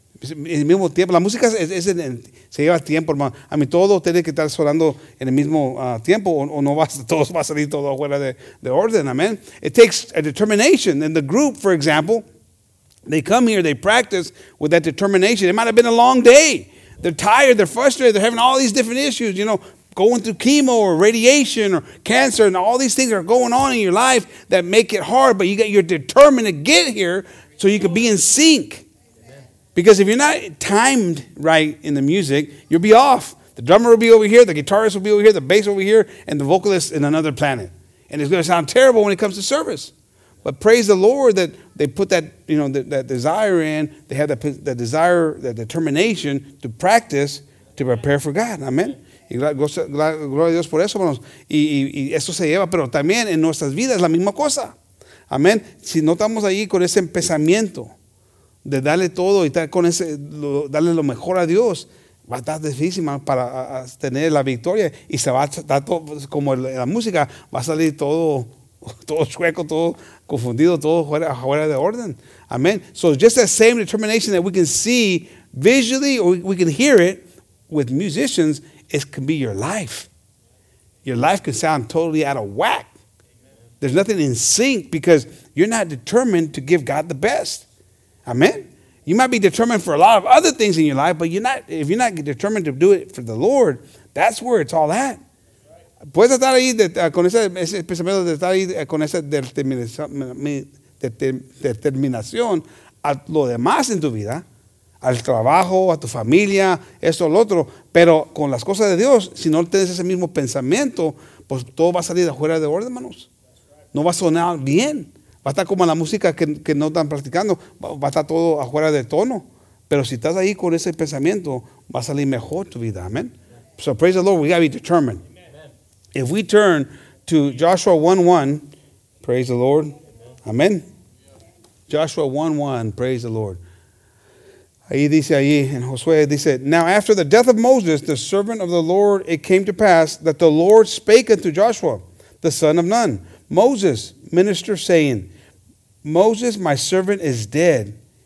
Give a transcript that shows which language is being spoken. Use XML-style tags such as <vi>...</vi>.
<es>en el mismo tiempo. La música es se lleva tiempo, hermano. A mí todo tiene que estar sonando en el mismo tiempo o no va, todo va a salir todo afuera de orden.</es> <en>Amen. It takes a determination. And the group, for example, they come here, they practice with that determination. It might have been a long day. They're tired, they're frustrated, they're having all these different issues, you know, going through chemo or radiation or cancer, and all these things are going on in your life that make it hard, but you're determined to get here so you can be in sync. Because if you're not timed right in the music, you'll be off. The drummer will be over here, the guitarist will be over here, the bass over here, and the vocalist in another planet. And it's going to sound terrible when it comes to service. But praise the Lord that they put that, you know, that desire in. They have that desire, that determination to practice, to prepare for God.</en> <es>Amen. Y gloria a Dios por eso, hermanos. Y eso se lleva, pero también en nuestras vidas la misma cosa. Amén. Si no estamos ahí con ese empezamiento de darle todo y estar con ese, darle lo mejor a Dios, va a estar difícil para tener la victoria. Y se va a estar todo, como la música, va a salir todo chueco, todo confundido, todo fuera de orden. Amén.</es> <en>So just that same determination that we can see visually or we can hear it with musicians, it can be your life. Your life can sound totally out of whack. There's nothing in sync because you're not determined to give God the best. Amen? You might be determined for a lot of other things in your life, but if you're not determined to do it for the Lord, that's where it's all at.</en> <es>Puedes estar ahí con ese pensamiento de estar ahí con esa determinación a lo demás en tu vida, al trabajo, a tu familia, esto, lo otro. Pero con las cosas de Dios, si no tienes ese mismo pensamiento, pues todo va a salir afuera de orden, hermanos. No va a sonar bien. Va a estar como la música que no están practicando. Va a estar todo afuera de tono. Pero si estás ahí con ese pensamiento, va a salir mejor tu vida.</es> <en>Amen. So praise the Lord, we got to be determined. If we turn to Joshua 1:1, praise the Lord. Amen. Joshua 1:1, praise the Lord.</en> <es>Ahí dice ahí, en Josué dice,</es> <en>now after the death of Moses, the servant of the Lord, it came to pass that the Lord spake unto Joshua, the son of Nun, Moses, minister, saying, Moses, my servant, is dead.</en>